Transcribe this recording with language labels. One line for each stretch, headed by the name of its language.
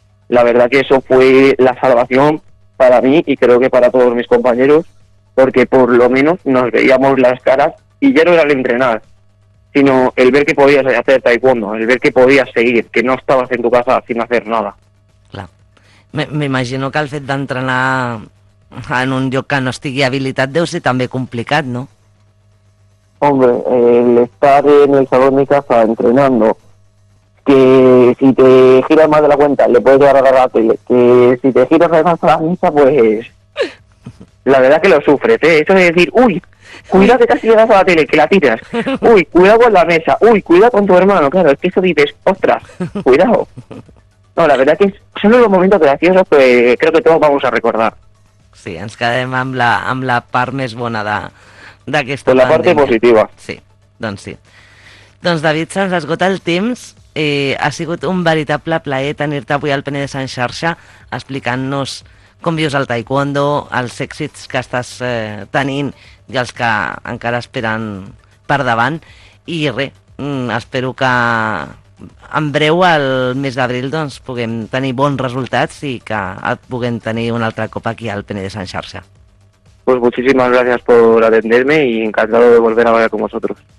Spanish: La verdad que eso fue la salvación para mí y creo que para todos mis compañeros, porque por lo menos nos veíamos las caras. Y ya no era el entrenar, sino el ver que podías hacer taekwondo, el ver que podías seguir, que no estabas en tu casa sin hacer nada.
Catalan: Clar.
Spanish: Me imagino
Catalan: que el fet d'entrenar en un lloc que no estigui habilitat deu ser també complicat, no?
Spanish: Hombre, el estar en el salón de casa entrenando, que si te giras más de la cuenta le puedes llegar a la tele, que si te giras más a la misa, pues... La verdad que lo sufres, ¿eh? Eso es decir, uy, cuidado que casi llegas a la tele, que la tiras. Uy, cuidado con la mesa. Uy, cuidado con tu hermano. Claro, es que eso dices, ostras, cuidado. No, la verdad que son los momentos graciosos que creo que todos vamos a recordar.
Catalan: Sí, ens quedem amb la part més bona d'aquesta pandèmia.
Spanish: Con la parte positiva.
Catalan: Sí, doncs sí. Doncs David, se'ns esgota el temps. Ha sigut un veritable plaer tenir-te avui al Penedès en xarxa explicant-nos com vius el taekwondo, els èxits que estàs tenint i els que encara esperen per davant. I res, espero que en breu, el mes d'abril, doncs, puguem tenir bons resultats i que et puguem tenir un altre cop aquí al Penedès en xarxa.
Spanish: Pues muchísimas gracias por atenderme y encantado de volver a hablar con vosotros.